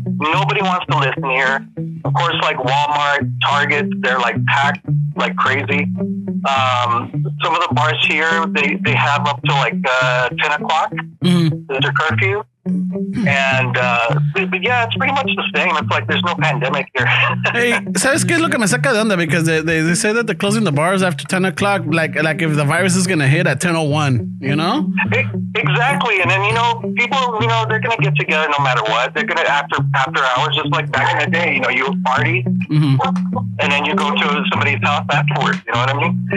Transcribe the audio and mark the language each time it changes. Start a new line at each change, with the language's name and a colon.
English: Nobody wants to listen here. Of course, like Walmart, Target, they're like packed like crazy. Some of the bars here, they have up to like 10 o'clock. Mm-hmm. Is there curfew? And but yeah, it's pretty much the same. It's like there's no pandemic here.
Spanish: Hey, ¿sabes qué es lo que me saca de onda?
English: Because they say that they're closing the bars after 10 o'clock, like if the virus is going to hit at 10:01, you know? Exactly. And then, you know, people, you know, they're going to get together no matter what. They're going to, after hours, just like back in the day, you know, you party, mm-hmm. and then you go to somebody's house afterwards, you know what I mean?